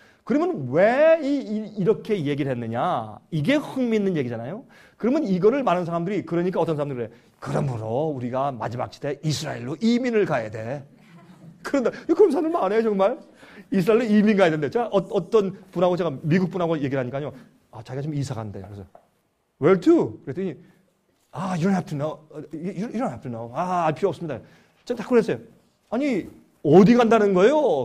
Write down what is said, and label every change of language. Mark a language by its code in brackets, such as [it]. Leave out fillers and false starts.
[ko] 그러면 왜 이렇게 얘기를 했느냐? 이게 흥미있는 얘기잖아요. 그러면 이거를 많은 사람들이, 그러니까 어떤 사람들이 그래. 그러므로 우리가 마지막 시대 이스라엘로 이민을 가야 돼. 그런다. 그런 사람들 많아요, 정말. 이스라엘로 이민 가야 된대. 제가 어떤 분하고 제가 미국 분하고 얘기를 하니까요. 아, 자기가 지금 이사 간대. 그래서, [en] Where to? [ko] 그랬더니, 아, [en] you don't have to know. You don't have to know. [ko] 아, 알 필요 없습니다. 제가 딱 그랬어요. 아니, 어디 간다는 거예요?